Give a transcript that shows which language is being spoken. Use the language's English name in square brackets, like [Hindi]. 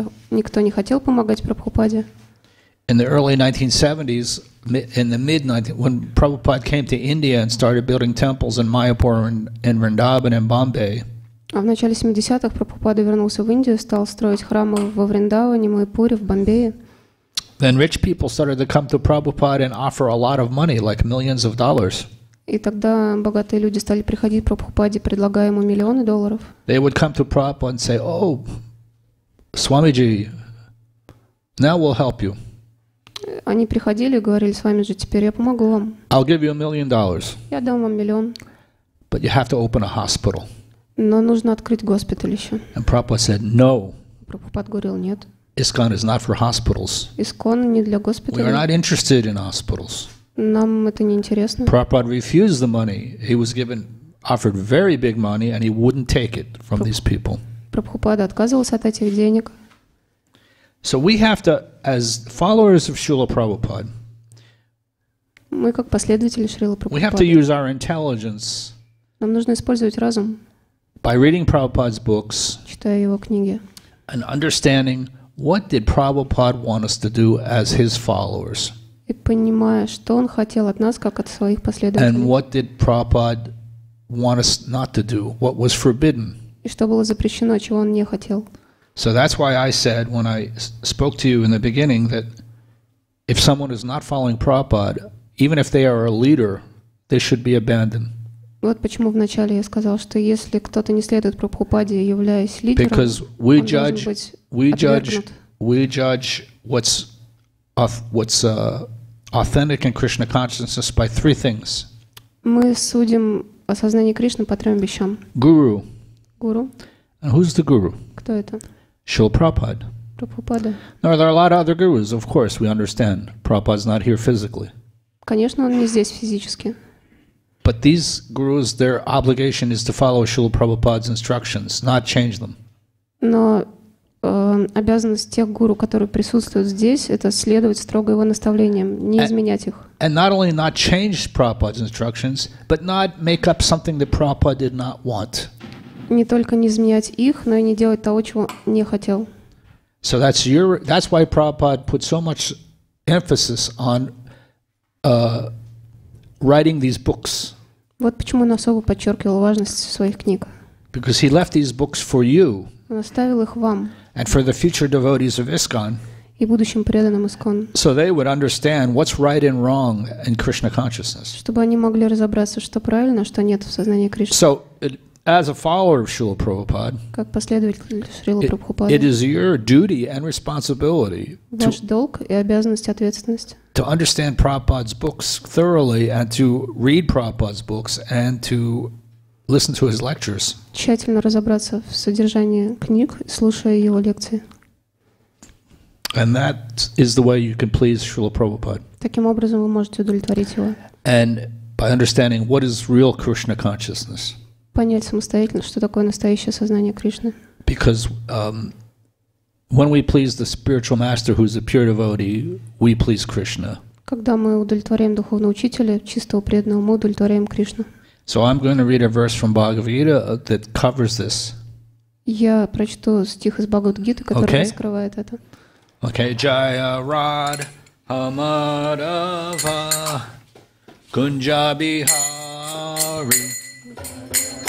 [Russian] Никто не хотел помогать Прабхупаде. [English] In the early 1970s, in the mid-1970s, when Prabhupada came to India and started building temples in Mayapur and Vrindavan and Bombay. [Russian] А в начале 70-х Прабхупада вернулся в Индию, стал строить храмы во Вриндаване, Майпуре, в Бомбее. [English] Then rich people started to come to Prabhupada and offer a lot of money, like millions of dollars. [Russian] И тогда богатые люди стали приходить к Прабхупаде, предлагая ему миллионы долларов. [English] They would come to Prabhupada and say, "Oh, Swamiji, now we'll help you." [Russian] Они приходили и говорили: "Свамиджи, теперь я помогу вам." [English] I'll give you a million dollars. [Russian] Я дам вам миллион. [English] But you have to open a hospital. [Russian] Но нужно открыть госпиталище. [English] And Prabhupada said, "No." [Russian] Прабхупад говорил: "Нет." [English] ISKCON is not for hospitals. [Russian] ISKCON не для госпиталей. [English] We are not interested in hospitals. [Russian] Нам это не интересно. [English] Prabhupada refused the money. He was given offered very big money, and he wouldn't take it from these people. [Russian] Прабхупада отказывался от этих денег. [English] So we have to, as followers of Srila Prabhupada, [Russian] мы как последователи Шрилы Прабхупады, [English] we have to use our intelligence. [Russian] Нам нужно использовать разум. [English] By reading Prabhupada's books, [Russian] читая его книги, [English] and understanding what did Prabhupada want us to do as his followers. [Russian] И понимая, что он хотел от нас, как от своих последователей. [English] And what did Prabhupada want us not to do? What was forbidden? [Russian] И что было запрещено, чего он не хотел. [English] So that's why I said when I spoke to you in the beginning that if someone is not following Prabhupada, even if they are a leader, they should be abandoned. [Russian] Вот почему вначале я сказал, что если кто-то не следует Прабхупаде, являясь лидером, [English] because we [Russian] он [English] judge, [Russian] должен быть отвергнут. [English] We judge what's authentic in Krishna consciousness by three things. [Russian] Мы судим о сознании Кришны по трем вещам. [English] Guru. [Russian] Guru. [English] And who's the guru? [Russian] Кто это? [English] Srila Prabhupada. [Russian] Prabhupada. [English] Now there are a lot of other gurus, of course, we understand. Prabhupada's not here physically. [Russian] Конечно, он не здесь физически. [English] But these gurus, their obligation is to follow Srila Prabhupada's instructions, not change them. [Russian] Но обязанность тех гуру, которые присутствуют здесь, это следовать строго его наставлениям, не изменять их. [English] And not only not change Prabhupada's instructions, but not make up something that Prabhupada did not want. [Russian] Не только не изменять их, но и не делать того, чего не хотел. [English] So that's why Prabhupada put so much emphasis on writing these books. [Russian] Вот почему он особо подчеркивал важность своих книг. [English] Because he left these books for you. [Russian] Он оставил их вам. [English] And for the future devotees of ISKCON. [Russian] И будущим преданным ISKCON. [English] So they would understand what's right and wrong in Krishna consciousness. [Russian] Чтобы они могли разобраться, что правильно, что нет в сознании Кришны. [English] So as a follower of Srila Prabhupada. [Russian] Как последователь Шрилы Прабхупады. [English] It is your duty and responsibility. [Russian] Ваш долг и обязанность, ответственность. [English] To understand Prabhupada's books thoroughly and to read Prabhupada's books and to listen to his lectures. [Russian] Тщательно разобраться в содержании книг, слушая его лекции. [English] And that is the way you can please Srila Prabhupada. [Russian] Таким образом вы можете удовлетворить его. [English] And by understanding what is real Krishna consciousness. [Russian] Понять самостоятельно, что такое настоящее сознание Кришны. [English] Because when we please the spiritual master who is a pure devotee, we please Krishna. [Russian] Когда мы удовлетворяем духовного учителя, чистого преданного, мы удовлетворяем Кришну. [English] So I'm going to read a verse from Bhagavad Gita that covers this. [Russian] Я прочту стих из Бхагавад Гиты, который раскрывает это. [English] Okay. [Sanskrit] Джая Радха Мадхава Кунджа Бихари.